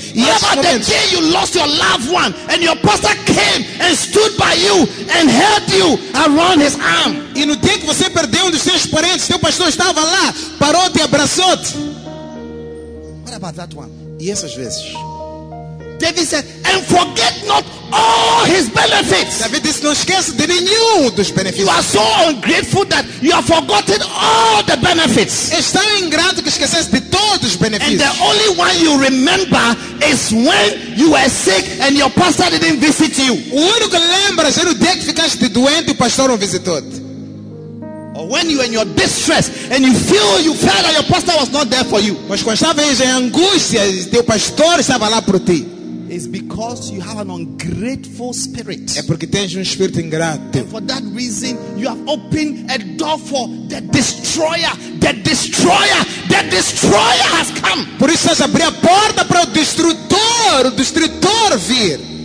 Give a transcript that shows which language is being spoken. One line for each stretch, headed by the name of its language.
English: What about
Portuguese: momentos?
English: The day you lost your loved one and your pastor came and stood by you and held you around his arm?
Portuguese: E no dia que você perdeu um dos seus parentes, teu pastor estava lá, parou e abraçou-te.
English: What about that one?
Portuguese: E essas vezes?
English: David said, and forget not all his benefits.
Portuguese: David disse, não esquece de nenhum dos benefícios.
English: You are so ungrateful that you have forgotten all the benefits.
Portuguese: Está ingrato que esquecesse de todos os benefícios.
English: And the only one you remember is when you were sick and your pastor didn't visit you.
Portuguese: O único que lembra é o dia que ficaste doente e o pastor não visitou.
English: When you are in your distress and you feel you felt that your pastor was not there for you.
Portuguese: Mas quando estavas em angústia, teu pastor estava lá por ti.
English: It's because you have an ungrateful spirit.
Portuguese: É porque tens espírito ingrato.
English: And for that reason, you have opened a door for the destroyer. The destroyer. The destroyer has come.
Portuguese: Por isso estás a abrir a porta para o destrutor vir.